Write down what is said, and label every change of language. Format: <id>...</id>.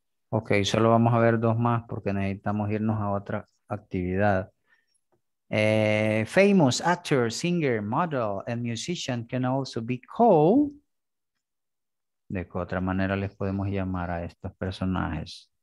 <es>Ok, solo vamos a ver dos más porque necesitamos irnos a otra actividad.</es> <en>Famous actor, singer, model, and musician can also be called</en> <es>¿De qué otra manera les podemos llamar a estos personajes?</es>